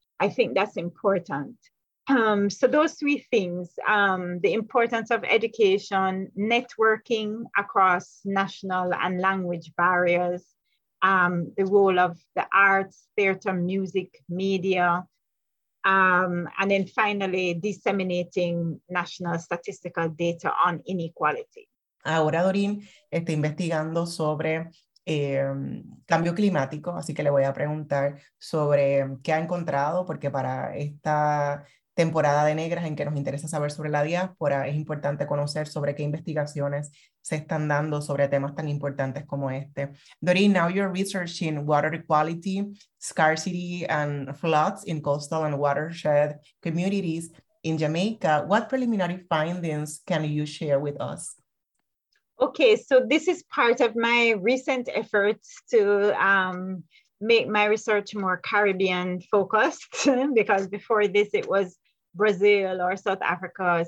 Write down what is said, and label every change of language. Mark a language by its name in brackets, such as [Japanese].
[English] I think that's important. So those three things, the importance of education, networking across national and language barriers, the role of the arts, theater, music, media, and then finally, disseminating national statistical data on inequality. [Spanish] Ahora Dorin está investigando sobre cambio climático, así que le voy a preguntar sobre qué ha encontrado, porque para esta temporada de negras en que nos interesa saber sobre la diáspora, es importante conocer sobre qué investigaciones se están dando sobre temas tan importantes como este. [English] Dorin, now you're researching water quality, scarcity, and floods in coastal and watershed communities in Jamaica. What preliminary findings can you share with us? Okay, so this is part of my recent efforts to make my research more Caribbean focused, because before this it was Brazil or South Africa.